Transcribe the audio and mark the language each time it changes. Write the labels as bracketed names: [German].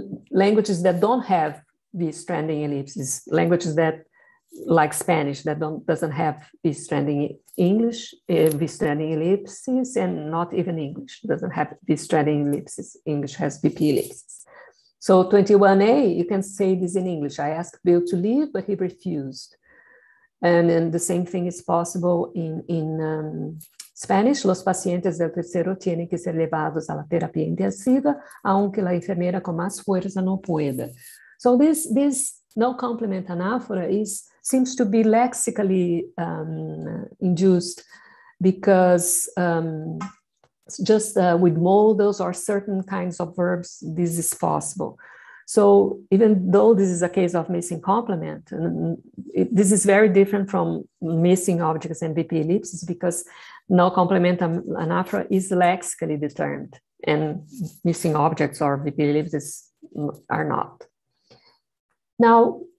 [English] Languages that don't have the stranding ellipses, languages that like Spanish, that doesn't have V-stranding English, V-stranding ellipses, and not even English doesn't have V-stranding ellipses. English has VP ellipses. So 21A, you can say this in English. I asked Bill to leave, but he refused. And then the same thing is possible in Spanish. [Spanish] Los pacientes del tercero tienen que ser llevados a la terapia intensiva, aunque la enfermera con más fuerza no pueda. [English] So this no complement anaphora seems to be lexically induced because just with modals or certain kinds of verbs, this is possible. So even though this is a case of missing complement, this is very different from missing objects and VP ellipses because no complement anaphora is lexically determined and missing objects or VP ellipses are not. Now,